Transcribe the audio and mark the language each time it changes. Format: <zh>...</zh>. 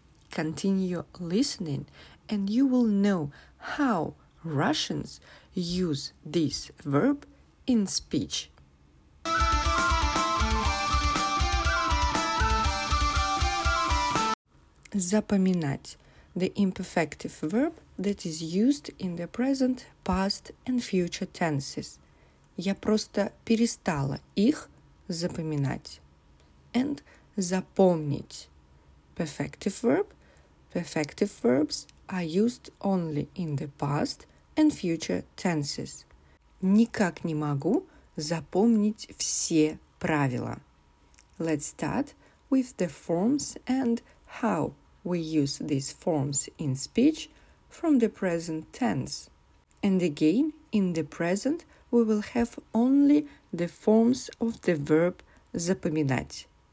<en>Continue listening and you will know how Russians use this verb in speech.</en> <ru>Запоминать.</ru> <en>The imperfective verb that is used in the present, past and future tenses.</en> <ru>Я просто перестала их запоминать.</ru> <en>And запомнить. Perfective verbs are used only in the past and future tenses.</en> <ru>Никак не могу запомнить все правила.</ru> <en>Let's start with the forms and how. We use these forms in speech from the present tense. And again, in the present, we will have only the forms of the verb запоминать.</en>